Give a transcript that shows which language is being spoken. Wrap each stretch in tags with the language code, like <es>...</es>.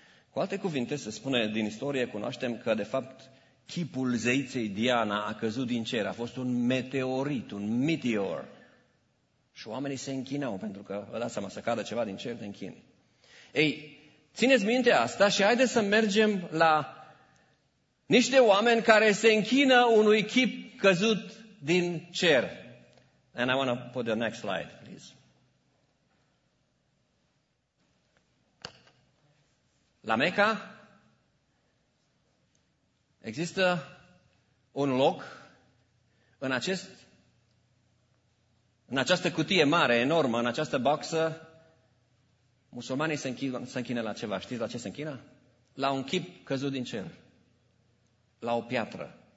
<ro>Cu alte cuvinte, se spune, din istorie cunoaștem că de fapt chipul zeiței Diana a căzut din cer, a fost un meteorit, un meteor. Și oamenii se închinau pentru că vă dați seama, să cadă ceva din cer, te închini. Ei, țineți minte asta și haideți să mergem la niște oameni care se închină unui chip căzut din cer.</ro> <en>And I want to put the next slide, please.</en> <ro>La Mecca există un loc în această cutie mare, enormă, în această boxă. Musulmanii se închină la ceva. Știți la ce se închină? La un chip căzut din cer. La o piatră.</ro>